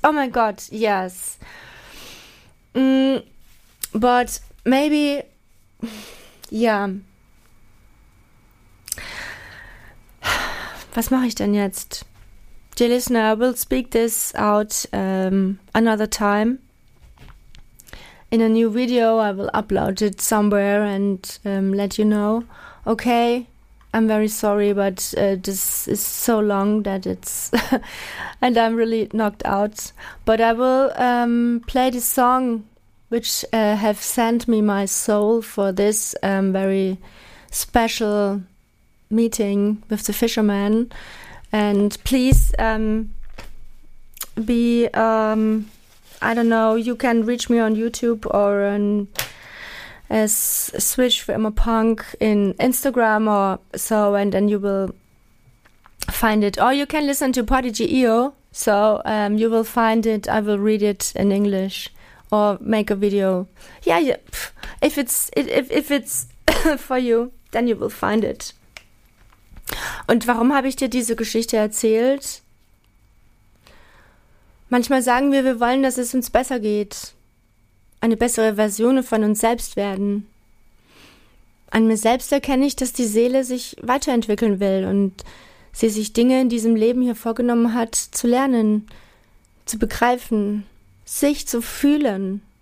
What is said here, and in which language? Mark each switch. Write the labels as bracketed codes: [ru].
[de] Oh mein Gott, yes. [en] But maybe, yeah. [de] Was mache ich denn jetzt? [en] Dear listener, I will speak this out another time. In a new video, I will upload it somewhere and let you know. Okay, I'm very sorry, but this is so long that it's... and I'm really knocked out. But I will play this song, which have sent me my soul for this very special meeting with the fisherman. And please be... I don't know, you can reach me on YouTube or on Switch for Emma Punk in Instagram or so, and then you will find it. Or you can listen to Podigy.io, so you will find it. I will read it in English or make a video. Yeah. If it's for you, then you will find it. [de] Und warum habe ich dir diese Geschichte erzählt? Manchmal sagen wir wollen, dass es uns besser geht. Eine bessere Version von uns selbst werden. An mir selbst erkenne ich, dass die Seele sich weiterentwickeln will und sie sich Dinge in diesem Leben hier vorgenommen hat, zu lernen, zu begreifen, sich zu fühlen.